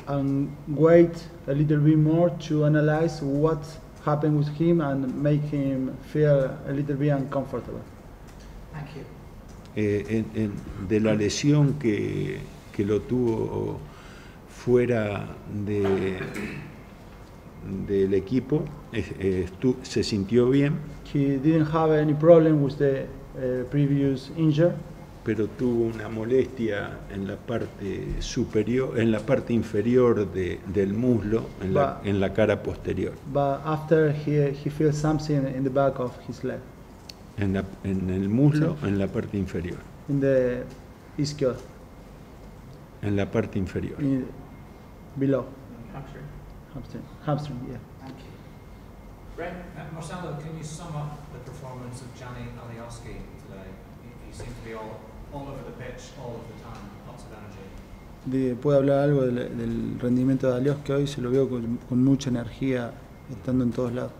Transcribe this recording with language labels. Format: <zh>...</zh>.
<en>And wait a little bit more to analyze what happened with him and make him feel a little bit uncomfortable. Thank you.</en> <es>De la lesión que lo tuvo fuera del equipo, se sintió bien.</es> <en>He didn't have any problem with the previous injury.</en> <es>Pero tuvo una molestia en la parte superior, en la parte inferior del muslo, en la cara posterior.</es> <en>But after he feels something in the back of his leg.</en> <es>En el muslo, mm-hmm. En la parte inferior.</es> <en>In the ischio.</en> <es>En la parte inferior.</es> <en>Below. Hamstring, yeah. Thank you. Brent, Marcelo, can you sum up the performance of Gianni Alioski today? He seemed to be all over the pitch, all of the time, lots of energy.</en> <es>¿Puedo hablar algo del rendimiento de Alioski hoy? Se lo veo con mucha energía, estando en todos lados.</es>